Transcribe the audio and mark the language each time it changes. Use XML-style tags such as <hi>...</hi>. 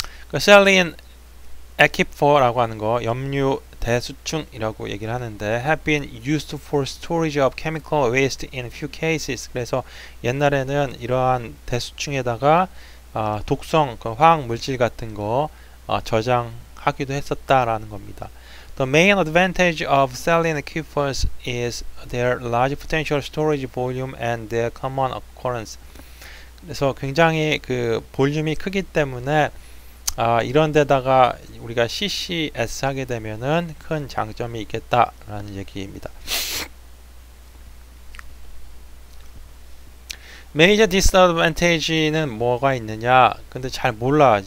<ko>그 셀린 에키포라고 하는 거 염류 대수층이라고 얘기를 하는데</ko> <en>have been used for storage of chemical waste in a few cases.</en> <ko>그래서 옛날에는 이러한 대수층에다가 독성 그 화학 물질 같은 거 저장하기도 했었다라는 겁니다.</ko> <en>The main advantage of saline aquifers is their large potential storage volume and their common occurrence.</en> <ko>그래서 굉장히 그 볼륨이 크기 때문에 이런 데다가 우리가 CCS 하게 되면은 큰 장점이 있겠다라는 얘기입니다.</ko> <en>Major disadvantage</en> <ko>는 뭐가 있느냐? 근데 잘 몰라.</ko>